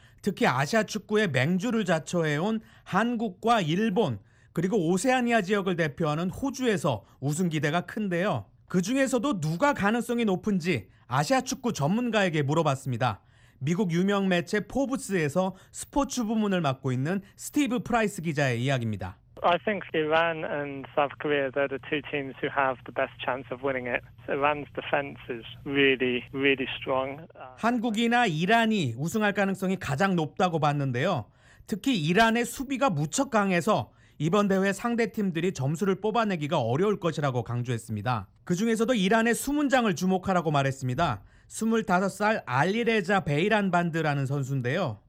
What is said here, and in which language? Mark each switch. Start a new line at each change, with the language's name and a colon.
Korean: 특히 아시아 축구의 맹주를 자처해온 한국과 일본 그리고 오세아니아 지역을 대표하는 호주에서 우승 기대가 큰데요. 그 중에서도 누가 가능성이 높은지 아시아 축구 전문가에게 물어봤습니다. 미국 유명 매체 포브스에서 스포츠 부문을 맡고 있는 스티브 프라이스 기자의 이야기입니다.
English: I think Iran and South Korea are the two teams who have the best chance of winning it. Iran's defense is really, really strong.
Korean: 한국이나 이란이 우승할 가능성이 가장 높다고 봤는데요. 특히 이란의 수비가 무척 강해서 이번 대회 상대 팀들이 점수를 뽑아내기가 어려울 것이라고 강조했습니다. 그 중에서도 이란의 수문장을 주목하라고 말했습니다. 25살 알리레자 베이란 반드라는 선수인데요.